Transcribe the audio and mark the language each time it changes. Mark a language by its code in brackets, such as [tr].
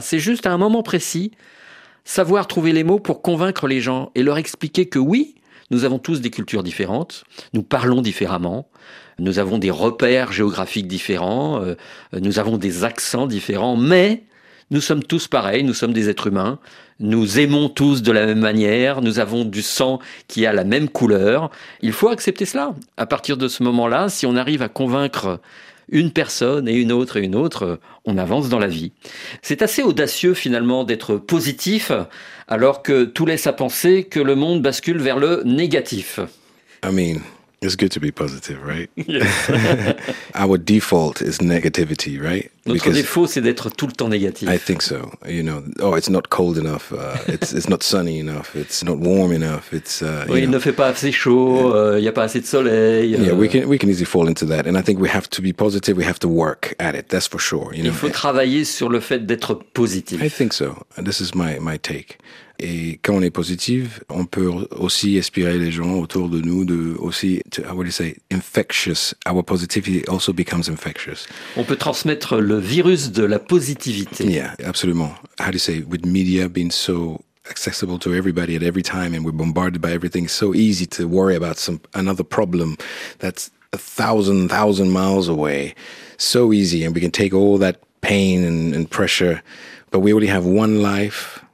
[fr] C'est juste à un moment précis, savoir trouver les mots pour convaincre les gens et leur expliquer que oui, nous avons tous des cultures différentes, nous parlons différemment, nous avons des repères géographiques différents, nous avons des accents différents, mais nous sommes tous pareils, nous sommes des êtres humains, nous aimons tous de la même manière, nous avons du sang qui a la même couleur. Il faut accepter cela. À partir de ce moment-là, si on arrive à convaincre une personne et une autre, on avance dans la vie. C'est assez audacieux finalement d'être positif, alors que tout laisse à penser que le monde bascule vers le négatif. [en] I mean, it's good to be positive, right? Yes. Our default is negativity, right? [fr] Notre Because défaut, c'est d'être tout le temps négatif. [en] I think so. You know, oh, it's not cold enough. It's not sunny enough. It's not warm enough. [fr] Il ne fait pas assez chaud. Il y a pas assez de soleil. [en] We can easily fall into that. And I think we have to be positive. We have to work at it. That's for sure. You know, [fr] il faut travailler sur le fait d'être positif. [en] I think so. This is my take. [fr] Et quand on est positif, on peut aussi inspirer les gens autour de nous de aussi, [en] how would you say, infectious. Our positivity also becomes infectious. [fr] On peut transmettre le virus de la positivité. Yeah, absolument. [en] How do you say, with media being so accessible to everybody at every time and we're bombarded by everything, it's so easy to worry about another problem that's a thousand miles away. So easy, and we can take all that pain and pressure, but we only have one life.